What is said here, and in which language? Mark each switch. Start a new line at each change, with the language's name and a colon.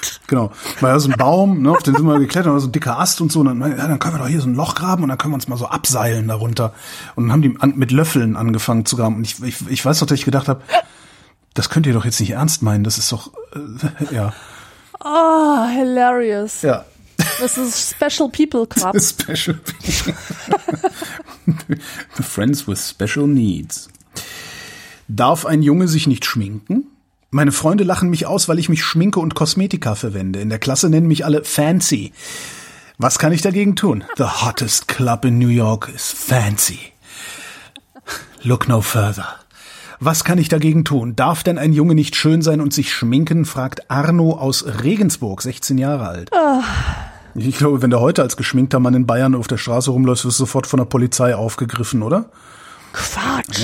German: Genau, weil da ist ein Baum, ne, auf den sind wir geklettert, da ist ein dicker Ast und so, und dann, ja, dann können wir doch hier so ein Loch graben und dann können wir uns mal so abseilen darunter. Und dann haben die mit Löffeln angefangen zu graben. Und ich weiß doch, dass ich gedacht habe, das könnt ihr doch jetzt nicht ernst meinen, das ist doch, ja.
English: Oh, hilarious.
German: Ja. Das ist Special People Club.
English: Special People. Friends with Special Needs.
German: Darf ein Junge sich nicht schminken? Meine Freunde lachen mich aus, weil ich mich schminke und Kosmetika verwende. In der Klasse nennen mich alle Fancy. Was kann ich dagegen tun?
English: The hottest club in New York is Fancy. Look no further.
German: Was kann ich dagegen tun? Darf denn ein Junge nicht schön sein und sich schminken? Fragt Arno aus Regensburg, 16 Jahre alt. Oh. Ich glaube, wenn du heute als geschminkter Mann in Bayern auf der Straße rumläufst, wirst du sofort von der Polizei aufgegriffen, oder? Quatsch!